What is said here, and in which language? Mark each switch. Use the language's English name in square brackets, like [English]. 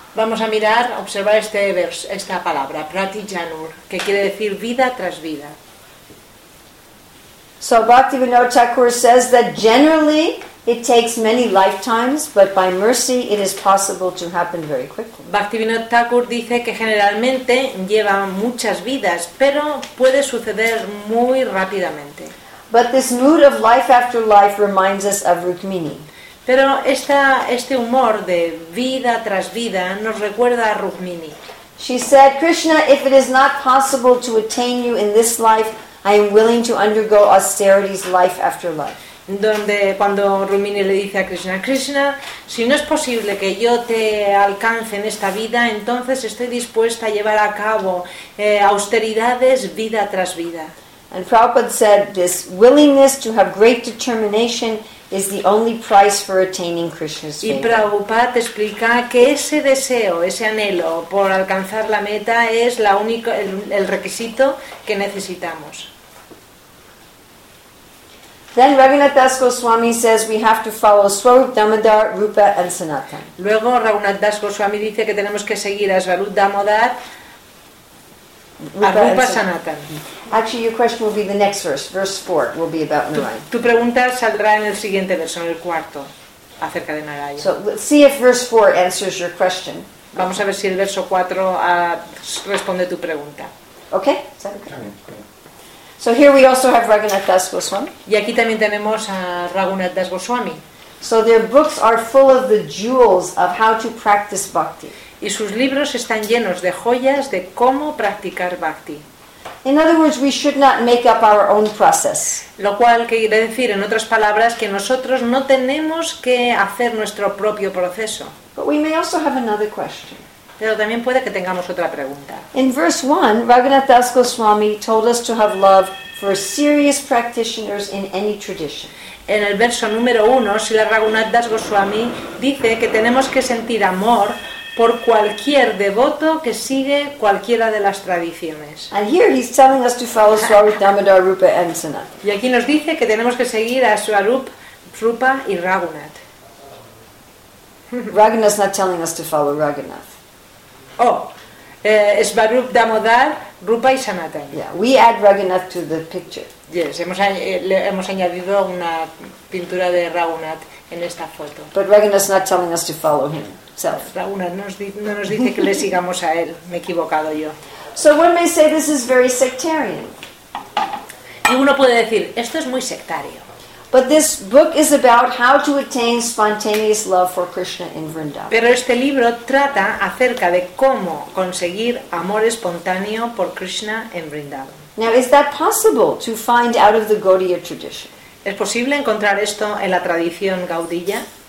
[Spanish] Vamos a mirar, observar este verso, esta palabra, pratijanur, que quiere decir vida tras vida. [English] So Bhaktivinoda Thakur says that generally it takes many lifetimes, but by mercy it is possible to happen very quickly. [Spanish] Bhaktivinoda Thakur dice que generalmente lleva muchas vidas, pero puede suceder muy rápidamente. [English] But this mood of life after life reminds us of Rukmini. [Spanish] Pero este humor de vida tras vida nos recuerda a Rukmini. [English] She said, Krishna, if it is not possible to attain you in this life, I am willing to undergo austerities life after life. [Spanish] Donde cuando Rukmini le dice a Krishna, Krishna, si no es posible que yo te alcance en esta vida, entonces estoy dispuesta a llevar a cabo austeridades vida tras vida. [English] And Prabhupada said, this willingness to have great determination is the only price for attaining Krishna's favor. [Spanish] Y Prabhupada explica que ese deseo, ese anhelo por alcanzar la meta es la única, el requisito que necesitamos. [English] Then Raghunath Das Goswami says we have to follow Swarup Damodar, Rupa and Sanatan. [Spanish] Luego Raghunath Das Goswami dice que tenemos que seguir a Swarup Damodar, Rupa, Rupa Sanatan. [English] Actually, your question will be the next verse. Verse 4 will be about Narayana. [Spanish] Tu pregunta saldrá en el siguiente verso, en el cuarto, acerca de Narayana. [English] So, let's see if verse 4 answers your question. [Spanish] Vamos a ver si el verso 4 responde tu pregunta. [English] Okay? Is that okay? So here we also have Raghunath Das Goswami. [Spanish] Y aquí también tenemos a Raghunath Das Goswami. [English] So their books are full of the jewels of how to practice bhakti. [Spanish] Y sus libros están llenos de joyas de cómo practicar bhakti. [English] In other words, we should not make up our own process. [Spanish] Lo cual quiere decir, en otras palabras, que nosotros no tenemos que hacer nuestro propio proceso. [English] But we may also have another question. [Spanish] Pero también puede que tengamos otra pregunta. [English] In verse 1, Raghunath Das Goswami told us to have love for serious practitioners in any tradition. [Spanish] En el verso número 1, Srila Raghunath Das Goswami dice que tenemos que sentir amor por cualquier devoto que sigue cualquiera de las tradiciones. [English] And here he's telling us to follow Swarup Damodar, Rupa and Sanat. [Spanish] Y aquí nos dice que tenemos que seguir a Swarup, Rupa y Raghunath. [English] Raghunath's not telling us to follow Raghunath. [Spanish] Oh, Swarup Damodar, Rupa y Sanatan. [English] Yeah, we add Raghunath to the picture. Yes, [Spanish] hemos añadido una pintura de Raghunath en esta foto. [English] But Raghunath's not telling us to follow him. [Spanish] Raghunath no nos dice que le sigamos a él. Me he equivocado yo. [English] So one may say this is very sectarian. [Spanish] Y uno puede decir, esto es muy sectario. [English] But this book is about how to attain spontaneous love for Krishna in Vrindavan. [Spanish] Pero este libro trata acerca de cómo conseguir amor espontáneo por Krishna en Vrindavan. [English] Now is that possible to find out of the Gaudiya tradition? [Spanish] ¿Es posible encontrar esto en la tradición gaudilla?